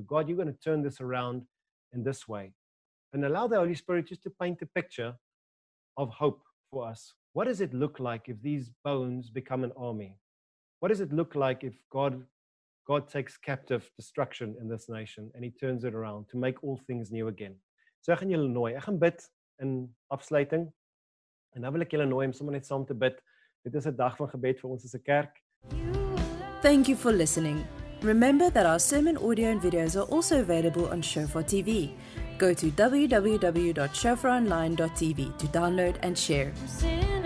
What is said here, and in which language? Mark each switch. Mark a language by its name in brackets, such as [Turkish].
[English] God, you're going to turn this around in this way. And allow the Holy Spirit just to paint a picture of hope for us. What does it look like if these bones become an army? What does it look like if God takes captive destruction in this nation and he turns it around to make all things new again? [Afrikaans] So ek gaan julle nooi. Ek gaan bid in afsluiting. En nou wil ek julle nooi om sommer net saam te bid. Dit is 'n dag van gebed vir ons as 'n kerk. [English] Thank you for listening. Remember that our sermon audio and videos are also available on Shofar TV. Go to www.shofaronline.tv to download and share.